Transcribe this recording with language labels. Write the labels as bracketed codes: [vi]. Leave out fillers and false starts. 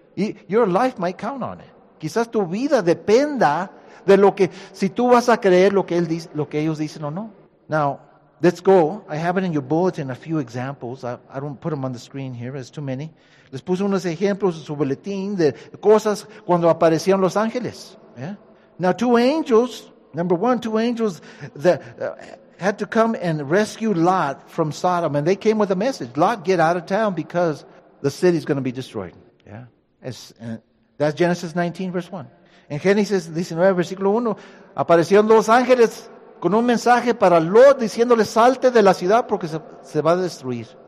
[en] Your life might count on it. [es] Quizás tu vida dependa de lo que, si tú vas a creer lo que ellos dicen o no. [en] Now, let's go. I have it in your bulletin, a few examples. I don't put them on the screen here. There's too many. [es] Les puse unos ejemplos en su boletín de cosas cuando aparecieron los ángeles. [en] Yeah? Now, two angels that had to come and rescue Lot from Sodom, and they came with a message. Lot, get out of town because the city's going to be destroyed. Yeah. That's Genesis 19, verse 1. In Genesis 19, [es] versículo 1, aparecieron dos ángeles con un mensaje para Lot diciéndole, salte de la ciudad porque se va a destruir.